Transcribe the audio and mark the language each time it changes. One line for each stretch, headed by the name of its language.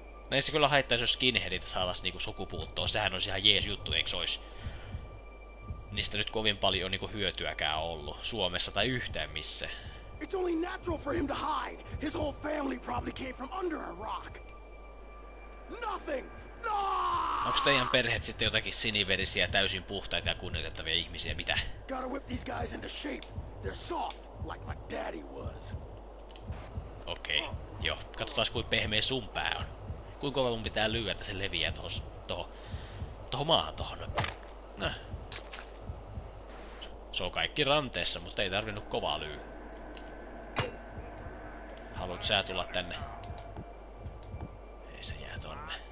Finnish: No ei se kyllä haittaisi, jos skinheadit saatais niinku sukupuuttoon. Sehän olisi ihan jees juttu, eiks ois? Niistä nyt kovin paljon niinku hyötyäkään ollu. Suomessa tai yhtään missä.
English: It's only natural for him to hide. His whole family probably came from under a rock. Nothing! No!
Finnish: Onks teidän perheet sitten jotakin siniverisiä, täysin puhtaita ja kunnioitettavia ihmisiä, mitä?
English: Gotta whip these guys into shape. They're soft, like my daddy was.
Finnish: Okei, okay. Joo. Katsotaas kuin pehmeä sun pää on. Kuinka kova mun pitää lyödä, että se leviää tohon maahan tohon. Se on kaikki ranteessa, mutta ei tarvinnut kovaa lyö. Haluut sä tulla tänne? Ei se jää tonne.